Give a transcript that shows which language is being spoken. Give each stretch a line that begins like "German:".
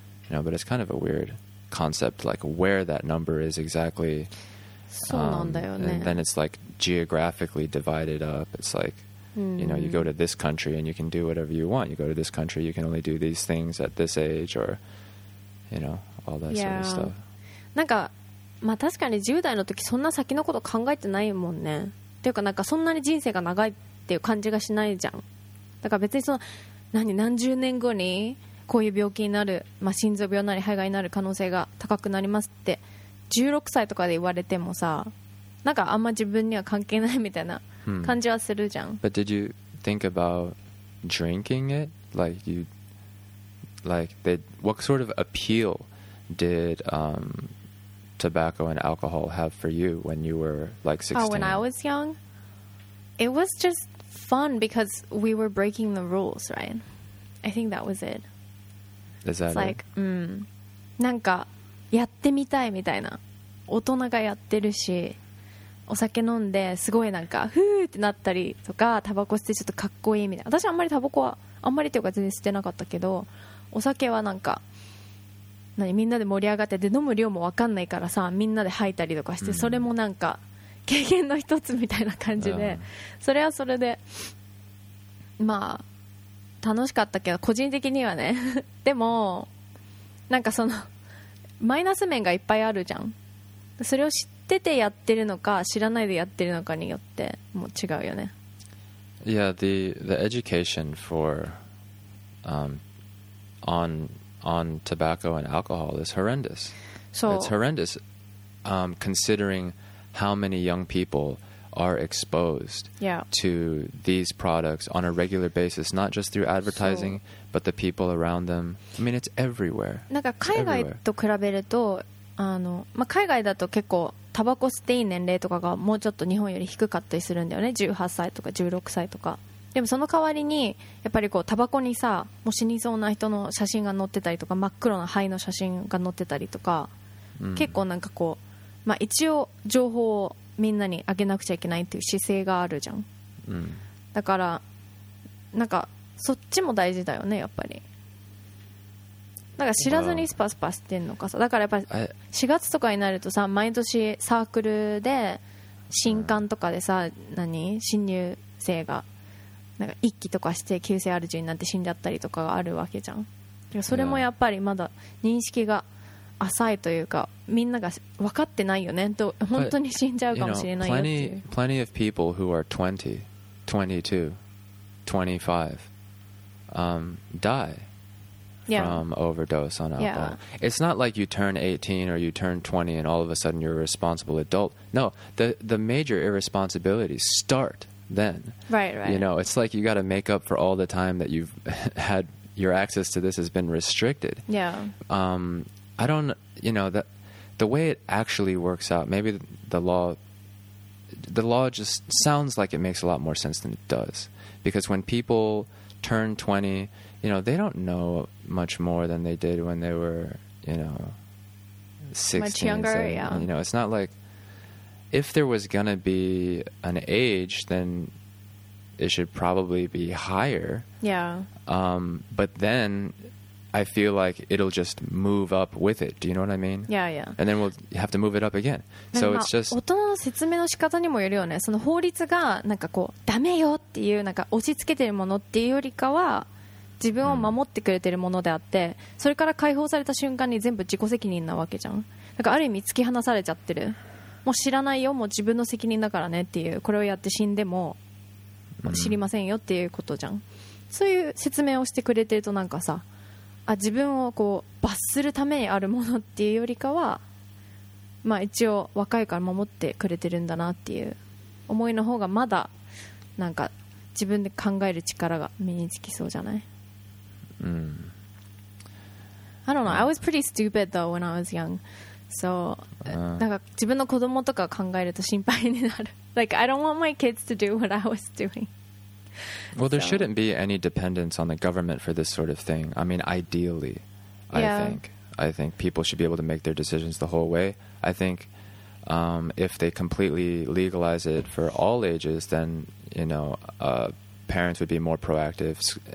English: You know, but it's kind of a weird concept, like where that number is exactly.
Japanese: そうなんだよね。
English: And then it's like geographically divided up. It's like,、you know, you go to this country and you can do whatever you want. You go to this country, you can only do these things at this age, or, you know, all that、 yeah. sort of stuff.
Japanese: なんか、まあ確かに10代の時そんな先のこと考えてないもんね。ていうかなんかそんなに人生が長いっていう感じがしないじゃん。だから別にその何十年後にこういう病気になる、まあ、心臓病なり肺がんになる可能性が高くなりますって16歳とかで言われてもさ、なんかあんま自分には関係ないみたいな感じはするじゃん。
English: But did you think about drinking it? Like you, like that? What sort of appeal did tobacco and alcohol have for you when you were like 16? Oh, when I was young. It was just fun because we were breaking the rules, right? I think that was it. Is that it's like,
Japanese: なんかやってみたいみたいな、大人がやってるし、お酒飲んですごいなんかふーってなったりとか、タバコ吸ってちょっとかっこいいみたいな。私あんまりタバコはあんまりっていうか全然吸ってなかったけど、お酒はなんか何みんなで盛り上がって、で飲む量も分かんないからさ、みんなで吐いたりとかして、それもなんか経験の一つみたいな感じで、それはそれでまあ楽しかったけど、個人的にはね。でもなんかそのマイナス面がいっぱいあるじゃん。それを知っててやってるのか知らないでやってるのかによってもう違うよね。
English: Yeah, the education for on tobacco and alcohol is horrendous. So, it's horrendous considering how many young people are exposed to these products on a regular basis, not just through advertising, but the people around them. I mean, it's everywhere.
Japanese: なんか海外と比べると、まあ、海外だと結構タバコ吸っていい年齢とかがもうちょっと日本より低かったりするんだよね、18歳とか16歳とか。でもその代わりにやっぱりこうタバコにさ、もう死にそうな人の写真が載ってたりとか、真っ黒な灰の写真が載ってたりとか、結構なんかこう、まあ、一応情報をみんなにあげなくちゃいけないっていう姿勢があるじゃん、だからなんかそっちも大事だよね、やっぱり。だから知らずにスパスパスってんのかさ。だからやっぱり4月とかになるとさ、毎年サークルで新歓とかでさ、何新入生がなんか一気とかして急性アルジになって死んじゃったりとかがあるわけじゃん。それもやっぱりまだ認識が浅いというか、みんなが分かってないよねと、本当に死んじゃうかもしれないよっていう。
English: plenty of people who are 20 22 25 die from overdose on alcohol. It's not like you turn 18 or you turn 20 and all of a sudden you're a responsible adult. No, the major irresponsibilities start then. Right. You know, it's like you got to make up for all the time that you've had your access to this has been restricted. Yeah. I don't, you know, the way it actually works out, maybe the law just sounds like it makes a lot more sense than it does. Because when people turn 20, you know, they don't know much more than they did when they were, you know, 16. Much younger, and, yeah. You know, it's not like if there was going to be an age, then it should probably be higher. Yeah. But then I feel like it'll just move up with it. Do you know what I mean? Yeah, yeah. And then we'll have to move it up again. So it's just
Japanese: 大人の説明の仕方にもよるよね。その法律がなんかこうダメよっていうなんか押し付けてるものっていうよりかは、自分を守ってくれてるものであって、それから解放された瞬間に全部自己責任なわけじゃん。だからある意味突き放されちゃってる。もう知らないよ、もう自分の責任だからねっていう、これをやって死んでも知りませんよっていうことじゃん。そういう説明をしてくれてると、なんかさあ、自分をこう罰するためにあるものっていうよりかは、まあ一応若いから守ってくれてるんだなっていう思いの方が、まだなんか自分で考える力が身につきそうじゃない。
English: I don't know. I was pretty stupid though when I was young. So,
Japanese: なんか自分の子供とか考えると心配になる。
English: Like, I don't want my kids to do what I was doing. Well, there shouldn't be any dependence on the government for this sort of thing. I mean, ideally, I think people should be able to make their decisions the whole way. I think if they completely legalize it for all ages, then, you know, parents would be more proactive.